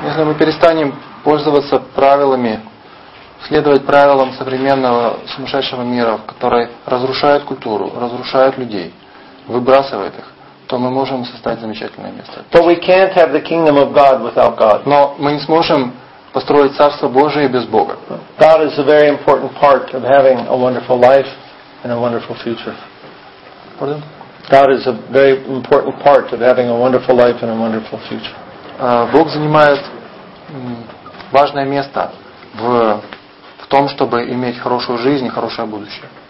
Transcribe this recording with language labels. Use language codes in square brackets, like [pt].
[ru] Если мы перестанем пользоваться правилами, следовать правилам современного сумасшедшего мира, который разрушает культуру, разрушает людей, выбрасывает их, то мы можем создать замечательное место. [en] But we can't have the kingdom of God without God. [ru] Но мы не сможем построить Царство Божие без Бога. [en] God is a very important part of having a wonderful life and a wonderful future. Pardon? God is a very important part of having a wonderful life and a wonderful future. [ru] Бог занимает важное место в том, чтобы иметь хорошую жизнь и хорошее будущее.